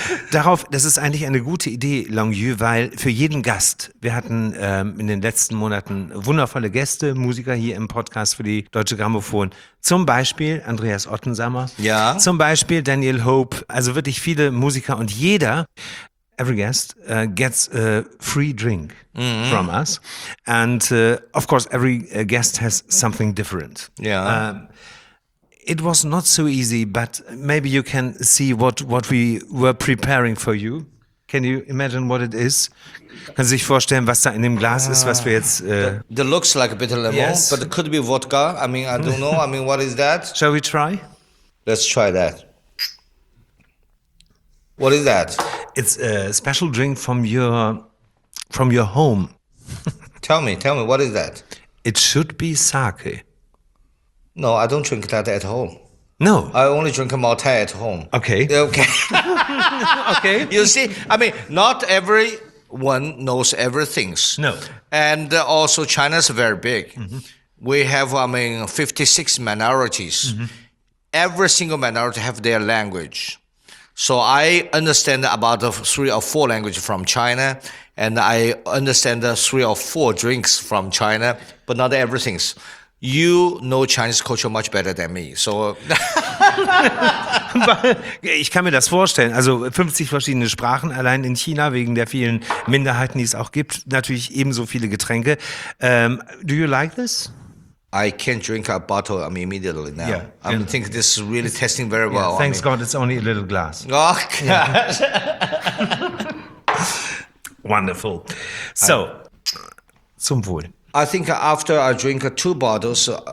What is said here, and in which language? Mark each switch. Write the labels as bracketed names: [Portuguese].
[German] Darauf, das ist eigentlich eine gute Idee, Longueux, weil für jeden Gast, wir hatten in den letzten Monaten wundervolle Gäste, Musiker hier im Podcast für die Deutsche Grammophon. Zum Beispiel Andreas Ottensammer. Ja. Zum Beispiel Daniel Hope. Also wirklich viele Musiker und jeder... [English] Every guest gets a free drink from us. And of course, every guest has something different. Yeah. It was not so easy, but maybe you can see what we were preparing for you. Can you imagine what it is? [German] Kann sich vorstellen, was da in dem Glas ist, was wir jetzt... [English] It looks like a bitter lemon, yes. But it could be vodka. I mean, I don't know. I mean, what is that? Shall we try? Let's try that. What is that? It's a special drink from your home. tell me, what is that? It should be sake. No, I don't drink that at home. No. I only drink a Maltai at home. Okay. Okay. You see, I mean, not everyone knows everything. No. And also China's very big. Mm-hmm. We have, 56 minorities. Mm-hmm. Every single minority have their language. So I understand about three or four languages from China, and I understand three or four drinks from China, but not everything. You know Chinese culture much better than me. So. [German] Ich kann mir das vorstellen. Also 50 verschiedene Sprachen allein in China, wegen der vielen Minderheiten, die es auch gibt. Natürlich ebenso viele Getränke. [English] Do you like this? I can't drink a bottle immediately now. Yeah, I think this is really tasting very well. Yeah, thanks God, it's only a little glass. Oh, God. Yeah. Wonderful. [German] So, zum Wohl. [English] I think after I drink two bottles,